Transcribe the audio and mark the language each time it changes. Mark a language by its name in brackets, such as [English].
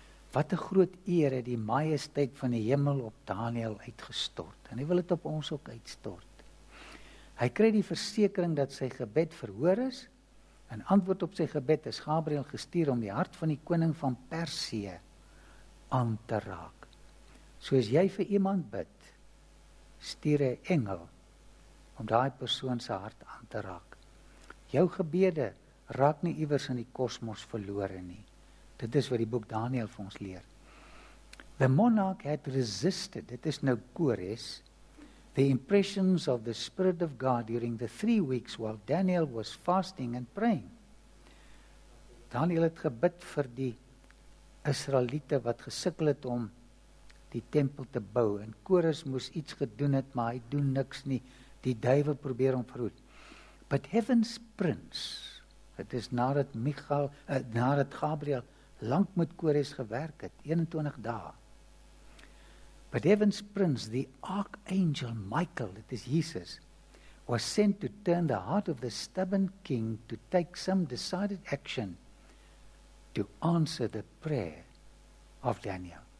[Afrikaans] Wat een groot eer het die majesteit van die hemel op Daniël uitgestort. En hy wil het op ons ook uitstort. Hy kry die versekering dat sy gebed verhoor is. En antwoord op sy gebed is Gabriël gestuur om die hart van die koning van Persië aan te raak. Soos jy vir iemand bid, stuur een engel om daai persoon sy hart aan te raak. Jou gebede raak nie iewers in die kosmos verlore nie. Dit is wat die boek Daniël vir ons leer. [English] The monarch had resisted, [Afrikaans] dit is nou Kores, [English] the impressions of the Spirit of God during the 3 weeks while Daniël was fasting and praying. [Afrikaans] Daniël het gebid vir die Israeliete wat gesukkel het om die tempel te bou en Kores moes iets gedoen het, maar hy doen niks nie. Die duivel probeer om verhoed. [English] But heaven's prince, [Afrikaans] het is nadat Gabriël lang met Kores gewerk het, 21 dae. [English] But heaven's prince, the archangel Michael, [Afrikaans] dit is Jesus, [English] was sent to turn the heart of the stubborn king to take some decided action to answer the prayer of Daniel.